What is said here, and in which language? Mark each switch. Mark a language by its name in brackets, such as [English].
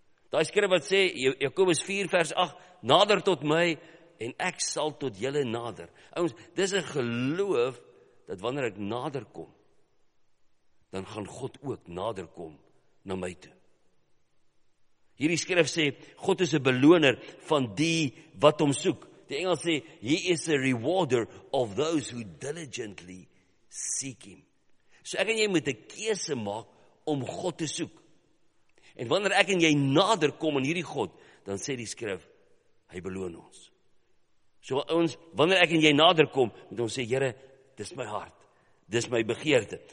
[Afrikaans] Daai skrif wat sê, Jakobus 4 vers 8, nader tot my, en ek sal tot julle nader. Ouens, dis 'n geloof, dat wanneer ek nader kom, dan gaan God ook nader kom na my toe. Hierdie skrif sê, God is 'n beloner van die wat hom soek. Die Engels sê, [English] He is a rewarder of those who diligently seek him. [Afrikaans] So ek en jy moet 'n keuse maak om God te soek. En wanneer ek en jy nader kom aan hierdie God, dan sê die skrif, hy beloon ons. So ons, wanneer ek en jy nader kom, moet ons sê, Here, dis my hart, dis my begeerte.